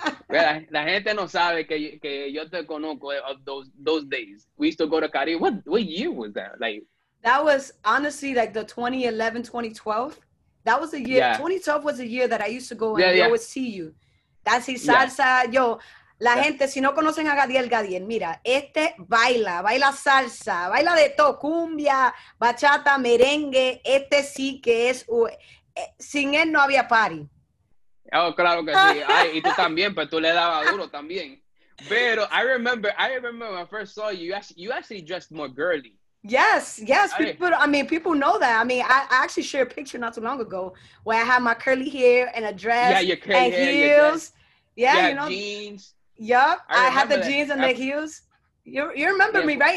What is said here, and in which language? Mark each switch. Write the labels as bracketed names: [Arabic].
[Spanish] La gente no sabe que yo te conozco [English] of those days. We used to go to Caribe. What year was that? Like, that was honestly like the 2011, 2012. That was the year. Yeah. 2012 was the year that I used to go and I would see you. That's his salsa. Yeah. [Spanish] Yo, la gente, si no conocen a Gadiel, mira, este baila salsa, baila de todo, cumbia, bachata, merengue, este sí que es, sin él no había party. Oh, claro que sí. Ay, y tú también, pero tú le dabas duro también. Pero [English] I remember when I first saw you, you actually dressed more girly. Yes. People know that. I mean, I actually shared a picture not too long ago where I had my curly hair and a dress. Yeah, your curly and hair, heels. Your dress. Yeah, you know. Jeans. Yup, I had the jeans and the heels. You remember me, right?